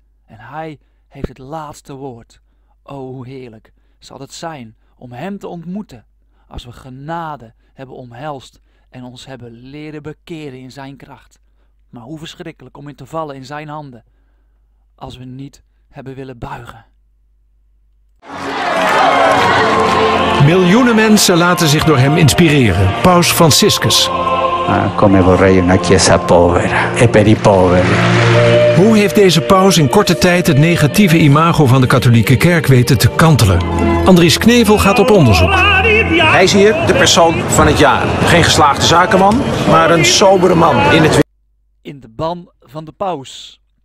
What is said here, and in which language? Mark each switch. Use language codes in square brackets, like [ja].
[nl] En Hij heeft het laatste woord. O, hoe heerlijk zal het zijn om Hem te ontmoeten als we genade hebben omhelst en ons hebben leren bekeren in Zijn kracht. Maar hoe verschrikkelijk om in te vallen in Zijn handen als we niet hebben willen buigen. Miljoenen mensen laten zich door Hem inspireren. Paus Franciscus. [it] Come vorrei una chiesa povera e per i poveri. [nl] Hoe heeft deze paus in korte tijd het negatieve imago van de katholieke kerk weten te kantelen? Andries Knevel gaat op onderzoek. Hij is hier de persoon van het jaar. Geen geslaagde zakenman, maar een sobere man in het... In de ban van de paus.